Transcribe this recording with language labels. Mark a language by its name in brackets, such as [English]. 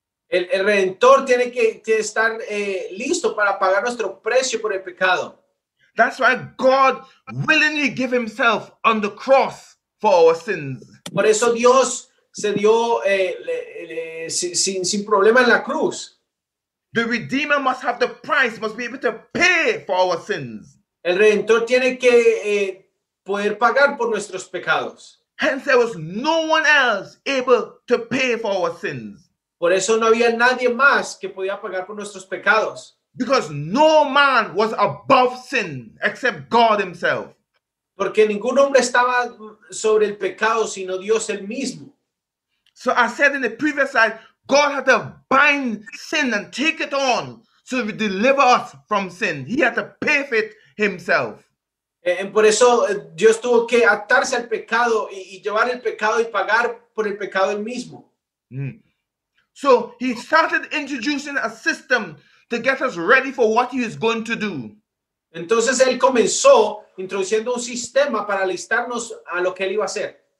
[Spanish] El Redentor tiene que estar listo para pagar nuestro precio por el pecado. [English] That's why God willingly gave himself on the cross for our sins. [Spanish] Por eso Dios se dio sin problema en la cruz. [English] The Redeemer must have the price, must be able to pay for our sins. [Spanish] El Redentor tiene que poder pagar por nuestros pecados. [English] Hence, there was no one else able to pay for our sins. [Spanish] Por eso no había nadie más que podía pagar por nuestros pecados. [English] Because no man was above sin except God himself. [Spanish] Porque ningún hombre estaba sobre el pecado sino Dios el mismo. [English] So I said in the previous slide, God had to bind sin and take it on so he would deliver us from sin. He had to pay for it himself. [Spanish] Y por eso Dios tuvo que atarse al pecado y llevar el pecado y pagar por el pecado el mismo. [English] So he started introducing a system to get us ready for what he is going to do. [Spanish] Entonces él comenzó introduciendo un sistema para alistarnos a lo que él iba a hacer.